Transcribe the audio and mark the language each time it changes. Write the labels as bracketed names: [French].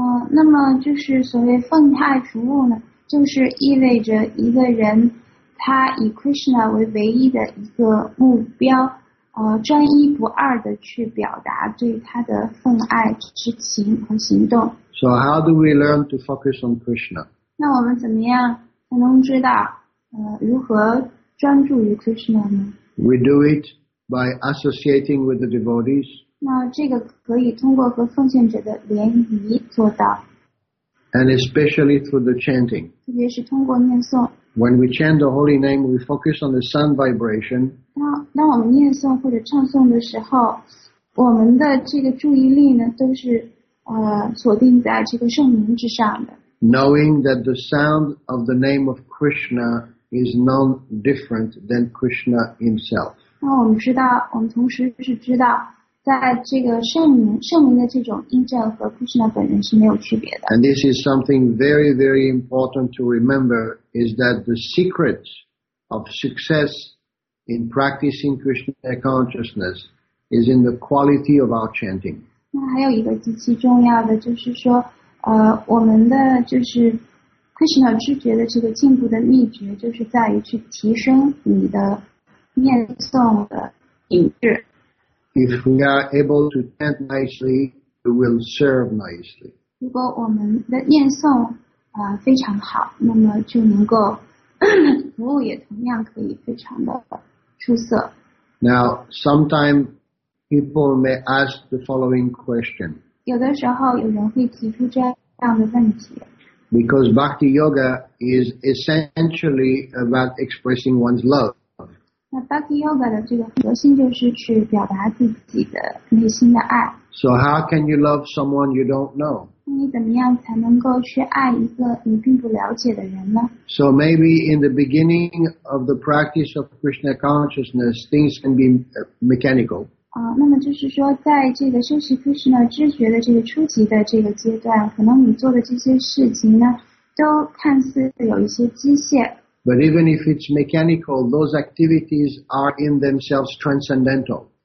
[Chinese] 那么就是所谓奉爱服务呢，就是意味着一个人他以 Krishna 为唯一的一个目标，专一不二的去表达对他的奉爱之情和行动。 [English] So how do we learn to focus on Krishna? [Chinese] 那我们怎么样才能知道？如何专注于 Krishna 呢？ [English] We do it by associating with the devotees. [Chinese] 那这个可以通过和奉献者的联谊做到。 [English] And especially through the chanting. [Chinese] 特别是通过念诵。 [English] When we chant the holy name, we focus on the sound vibration. [Chinese] 当我们念诵或者唱诵的时候，我们的这个注意力呢，都是锁定在这个圣名之上的。 [English] Knowing that the sound of the name of Krishna is none different than Krishna himself. [Chinese] 那我们知道，我们同时是知道，在这个圣名的这种音阵和 Krishna 本人是没有区别的。 [English] And this is something very, very important to remember is that the secret of success in practicing Krishna consciousness is in the quality of our chanting. [Chinese] 那还有一个极其重要的就是说我们的就是 Krishna 知觉的这个进步的秘诀就是在于去提升你的念诵的品质。 [English] If we are able to chant nicely we will serve nicely. [Chinese] 如果我们的念诵非常好，那么就能够服务也同样可以非常的出色。 [English] Now, sometimes people may ask the following question. [Chinese] 有的时候有人会提出这样的问题。 [English] Because Bhakti Yoga is essentially about expressing one's love. [Chinese] 那 Bhakti Yoga 的这个核心就是去表达自己的内心的爱。 [English] So how can you love someone you don't know? [Chinese] 那你怎么样才能够去爱一个你并不了解的人呢？ [English] So maybe in the beginning of the practice of Krishna consciousness, things can be mechanical. [Chinese] 那么就是说在这个修习 Krishna 知觉的这个初级的这个阶段，可能你做的这些事情呢都看似有一些机械。 [English] But even if it's mechanical, those activities are in themselves transcendental.